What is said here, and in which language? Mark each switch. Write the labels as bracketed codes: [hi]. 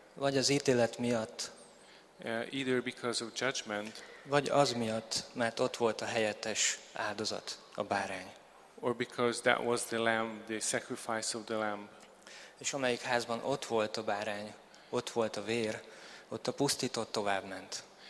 [hu] Vagy az ítélet miatt, [en] either because of judgment, [hu] vagy az miatt, mert ott volt a helyettes áldozat, a bárány. [en] Or because that was the lamb, the sacrifice of the lamb. [hu] És amelyik házban ott volt a bárány, ott volt a vér, ott a pusztított továbbment.